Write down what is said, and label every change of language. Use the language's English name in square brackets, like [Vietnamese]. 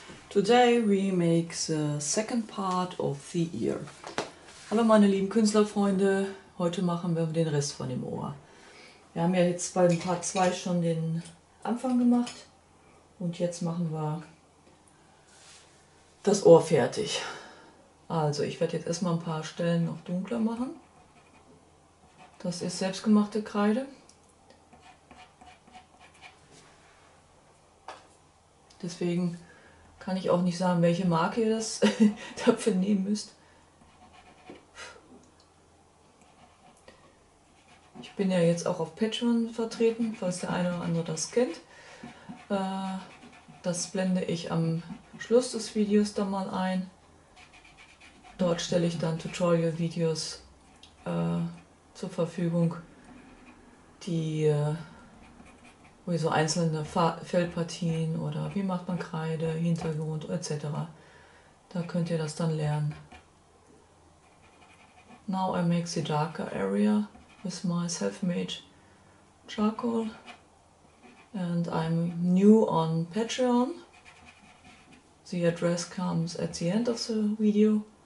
[English] Today we make the second part of the ear. [German] Hallo meine lieben Künstlerfreunde, heute machen wir den Rest von dem Ohr. Wir haben ja jetzt bei dem Part 2 schon den Anfang gemacht und jetzt machen wir das Ohr fertig. Also ich werde jetzt erstmal ein paar Stellen noch dunkler machen. Das ist selbstgemachte Kreide. Deswegen kann ich auch nicht sagen, welche Marke ihr das dafür nehmen müsst. Ich bin ja jetzt auch auf Patreon vertreten, falls der eine oder andere das kennt. Das blende ich am Schluss des Videos dann mal ein. Dort stelle ich dann Tutorial-Videos zur Verfügung, die wie so einzelne Feldpartien oder wie macht man Kreide, Hintergrund etc. Da könnt ihr das dann lernen. [English] Now I make the darker area with my self-made charcoal. And I'm new on Patreon. The address comes at the end of the video.